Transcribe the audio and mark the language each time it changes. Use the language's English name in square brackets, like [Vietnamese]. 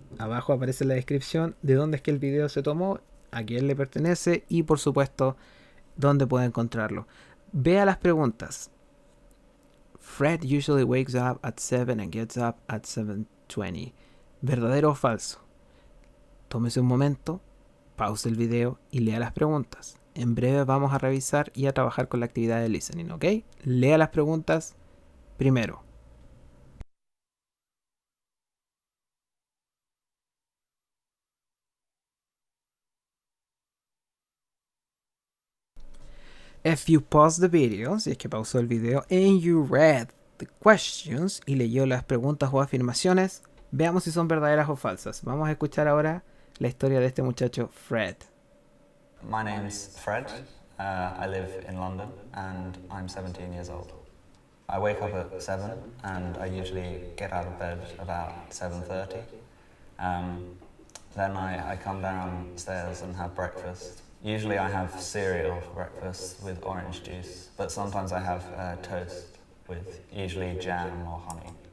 [Spanish] Abajo aparece la descripción de dónde es que el video se tomó, a quién le pertenece y, por supuesto, dónde puede encontrarlo. Vea las preguntas. [English] Fred usually wakes up at 7 and gets up at 7:20. [Spanish] ¿Verdadero o falso? Tómese un momento, pause el video y lea las preguntas. En breve vamos a revisar y a trabajar con la actividad de listening, ¿ok? Lea las preguntas primero. [English] If you pause the video, [Spanish] si es que pausó el video, [English] and you read the questions, [Spanish] y leyó las preguntas o afirmaciones, veamos si son verdaderas o falsas. Vamos a escuchar ahora la historia de este muchacho, Fred. [English] My name's Fred. I live in London, and I'm 17 years old. I wake up at 7, and I usually get out of bed about 7:30. Then I come downstairs and have breakfast. Usually I have cereal for breakfast with orange juice, but sometimes I have toast with usually jam or honey.